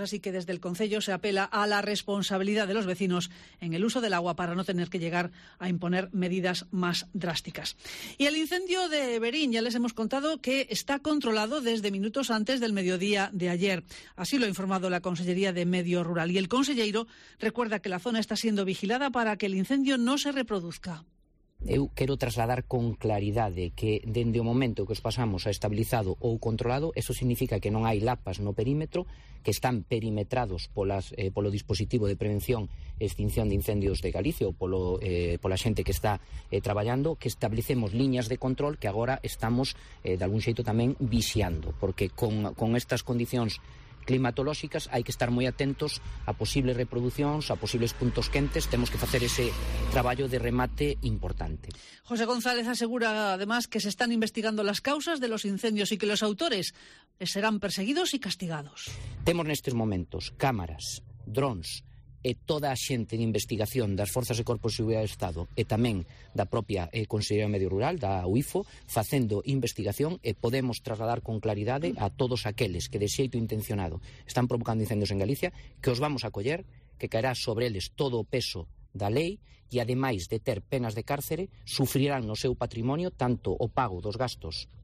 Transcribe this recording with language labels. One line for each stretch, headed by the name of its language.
Spanish: Así que desde el concello se apela a la responsabilidad de los vecinos en el uso del agua para no tener que llegar a imponer medidas más drásticas. Y el incendio de Verín, ya les hemos contado que está controlado desde minutos antes del mediodía de ayer. Así lo ha informado la Consellería de Medio Rural. Y el conselleiro recuerda que la zona está siendo vigilada para que el incendio no se reproduzca.
Galician: Eu quero trasladar con claridade que dende o momento que os pasamos a estabilizado ou controlado, eso significa que non hai lapas no perímetro, que están perimetrados polo dispositivo de prevención e extinción de incendios de Galicia ou pola xente que está traballando, que establecemos liñas de control que agora estamos de algún xeito tamén vixiando, porque con estas condicións climatolóxicas hai que estar moi atentos a posibles reproduccións, a posibles puntos quentes, temos que facer ese traballo de remate importante.
Spanish: José González asegura además que se están investigando las causas de los incendios y que los autores serán perseguidos y castigados.
Galician: Temos nestes momentos cámaras, drones e toda a xente de investigación das Forzas e Corpos de Seguridade do Estado e tamén da propia Consellería de Medio Rural, da UIFO, facendo investigación e podemos trasladar con claridade a todos aqueles que de xeito intencionado están provocando incendios en Galicia, que os vamos a acoller, que caerá sobre eles todo o peso da lei e, ademais de ter penas de cárcere, sufrirán no seu patrimonio tanto o pago dos gastos